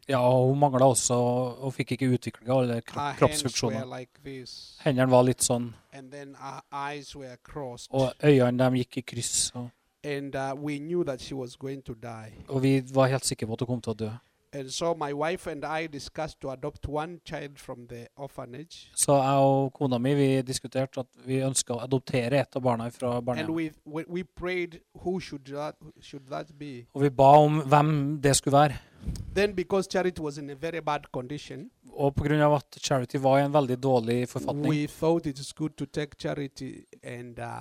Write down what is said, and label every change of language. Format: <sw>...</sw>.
<no>Ja, hun manglet også, og fikk ikke utviklet alle kroppsfunksjoner.</no> <en>Her like this.</en> <no>Hendene var litt sånn.</no> <en>And then her eyes were crossed.</en> <no>Og øynene dem gikk I kryss. Så.</no> <en>And we knew that she was going to die.</en> <no>Og vi var helt sikre på at hun kom til å dø.</no> <en>And so my wife and I discussed to adopt one child from the orphanage.</en> <no>Så jeg og kona mi, vi diskuterte at vi ønsket å adoptere et av barna fra barnehjem.</no> <en>And we prayed who should that be.</en> <no>Og vi ba om hvem det skulle være.</no> <en>Then because Charity was in a very bad condition.</en> <no>Og på grunn av at Charity var I en veldig dårlig forfatning.</no> <en>We thought it's good to take Charity and</en>